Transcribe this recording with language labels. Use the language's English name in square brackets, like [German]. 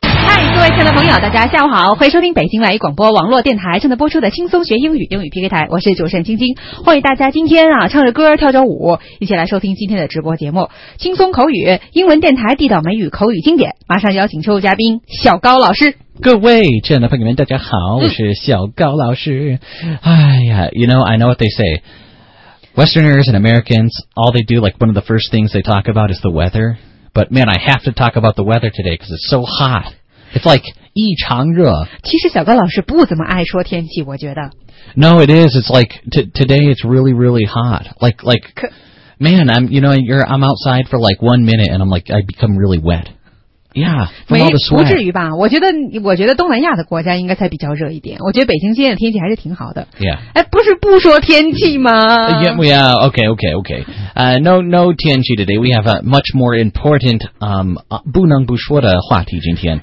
[Chinese] 亲爱的朋友，大家下午好，欢迎收听北京外语广播网络电台正在播出的轻松学英语英语 PK 台，我是主持人晶晶，欢迎大家今天啊唱着歌跳着舞一起来收听今天的直播节目，轻松口语英文电台地道美语口语经典，马上邀请出嘉宾小高老师。各位亲爱的朋友们大家好，我是小高老师。 [English] 哎呀 you know, I know what they say, Westerners and Americans, all they do, like one of the first things they talk about is the weather, but man, I have to talk about the weather today because it's so hot. It's like [Chinese] 异常热。其实小高老师不怎么爱说天气，我觉得。 [English] No, it is. It's like today. It's really, really hot. Like, man, I'm you know you're I'm outside for like 1 minute and I'm like I become really wet. Yeah, from all the sweat. [Chinese] 不至于吧？我觉得东南亚的国家应该才比较热一点。我觉得北京今天的天气还是挺好的。 [English] Yeah. [Chinese] 哎，不是不说天气吗 [English] ？Yeah. Okay. No 天气 today. We have a much more important [Chinese] 不能不说的话题今天。